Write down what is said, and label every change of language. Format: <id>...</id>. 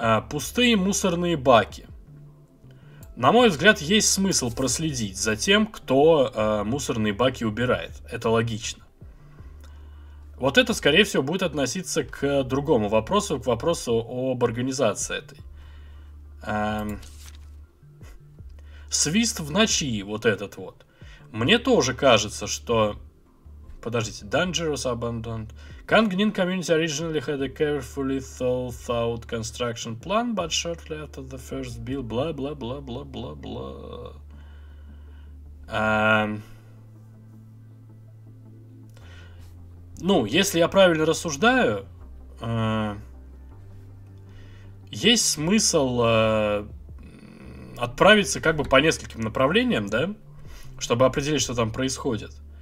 <ru>Пустые мусорные баки. На мой взгляд, есть смысл проследить за тем, кто мусорные баки убирает. Это логично. Вот это, скорее всего, будет относиться к другому вопросу, к вопросу об организации этой. Свист в ночи, вот этот вот. Мне тоже кажется, что... Подождите,</ru> <en>Dangerous Abandoned. Kangnin community originally had a carefully thought out construction plan, but shortly after the first build, бла-бла-бла-бла-бла-бла.</en> <ru>Ну, если я правильно рассуждаю, есть смысл отправиться как бы по нескольким направлениям, да? Чтобы определить, что там происходит.</ru>